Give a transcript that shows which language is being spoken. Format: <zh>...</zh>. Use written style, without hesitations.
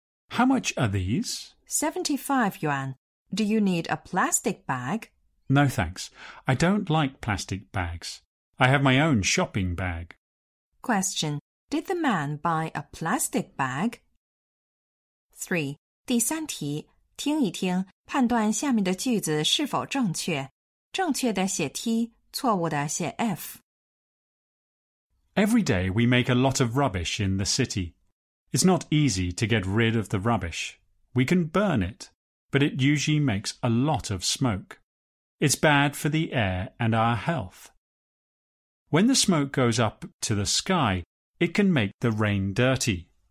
<en>How much are these? 75 yuan. Do you need a plastic bag? No, thanks. I don't like plastic bags. I have my own shopping bag. Question. Did the man buy a plastic bag?</en> <zh>3. 第三题。听一听，判断下面的句子是否正确。正确的写 T， 错误的写 F。</zh> <en>Every day we make a lot of rubbish in the city. It's not easy to get rid of the rubbish. We can burn it, but it usually makes a lot of smoke. It's bad for the air and our health. When the smoke goes up to the sky, it can make the rain dirty.</en>